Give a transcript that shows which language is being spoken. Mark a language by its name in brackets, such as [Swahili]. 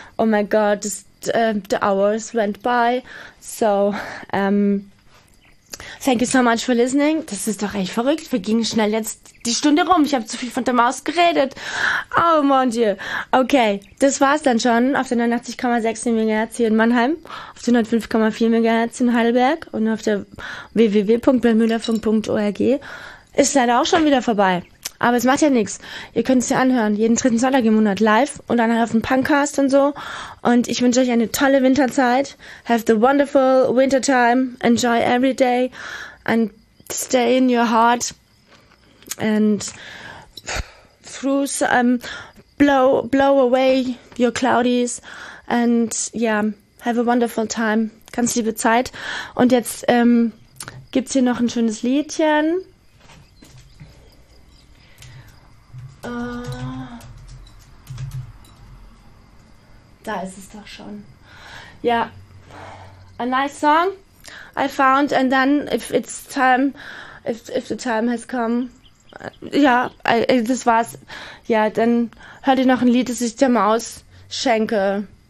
[English] Oh my God, the hours went by. So, thank you so much for listening. [German] Das ist doch echt verrückt. Wir gingen schnell jetzt die Stunde rum. Ich habe zu viel von der Maus geredet. [French] Oh, mon Dieu. [German] Okay, das war's dann schon auf der 89,6 MHz hier in Mannheim, auf der 105,4 MHz in Heidelberg und auf der www.bernmüllerfunk.org. Ist leider auch schon wieder vorbei. Aber es macht ja nichts. Ihr könnt es ja anhören. Jeden dritten Sonntag im Monat live und dann auf dem Punkcast und so. Und ich wünsche euch eine tolle Winterzeit. [English] Have the wonderful winter time. Enjoy every day. And stay in your heart. And through some, blow away your cloudies and yeah, have a wonderful time. [German] Ganz liebe Zeit. Und jetzt gibt es hier noch ein schönes Liedchen. Da ist es doch schon. [English] Ja, a nice song I found, and then if the time has come, ja, [German] das war's. Ja, dann hört ihr noch ein Lied, das ich der Maus schenke.